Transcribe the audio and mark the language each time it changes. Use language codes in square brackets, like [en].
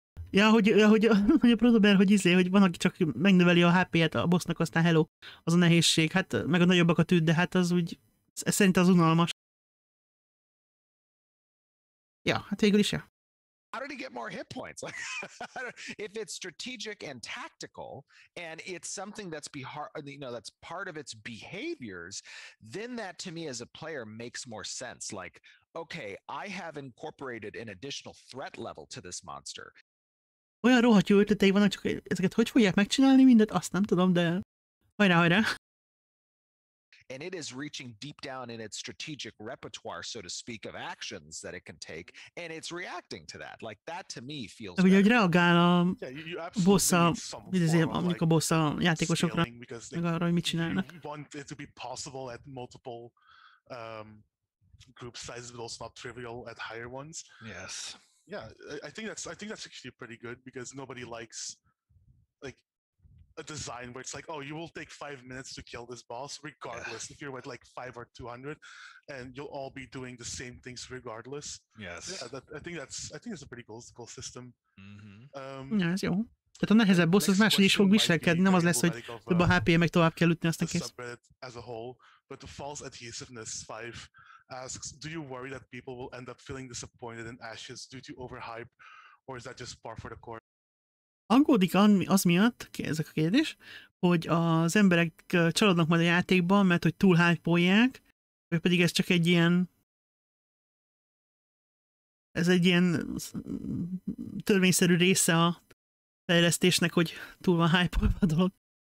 [hu] Ja, hogy a Protober, hogy izé, hogy van, aki csak megnöveli a HP-et a bossnak, aztán hello, az a nehézség, hát meg a nagyobbak a tűd, de hát az úgy, ez szerint az unalmas. Ja, hát végül is ja. [en] How did he get more hit points? If it's strategic and tactical, and it's something that's that's part of its behaviors, then that to me as a player makes more sense. Like, okay, I have incorporated an additional threat level to this monster. [hu] Olyan rohadt jó ötletei vannak, csak ezeket hogy fogják megcsinálni mindet, azt nem tudom, de hajrá, hajrá. [en] And it is reaching deep down in its strategic repertoire, so to speak, of actions that it can take, and it's reacting to that. Like that, to me, feels. [hu] Ugye, hogy reagál a bossa, mondjuk a bossa játékosokra, meg arra, hogy mit csinálnak. [en] You want it to be possible at multiple group sizes, but also not trivial at higher ones. Yes. Yeah, I think that's actually pretty good because nobody likes, like, a design where it's like, oh, you will take 5 minutes to kill this boss, regardless if you're with like 5 or 200, and you'll all be doing the same things regardless. Yes. Yeah, I think that's a pretty cool system. Mm-hmm. Yeah, that's cool. [hu] Tehát a nehezebb boss az máshogy is fog viselkedni, nem az lesz, hogy több a HP-je, meg tovább kell ütni, aztán kész. [en] As a whole, but the false adhesiveness 5 asks, do you worry that people will end up feeling disappointed in Ashes due to overhype, or is that just par for the course? [hu] Aggódik az miatt, ezek a kérdés, hogy az emberek csalódnak majd a játékban, mert hogy túl hype-olják, vagy pedig ez csak egy ilyen... Ez egy ilyen törvényszerű része a fejlesztésnek, hogy túl van hype-olva a dolog.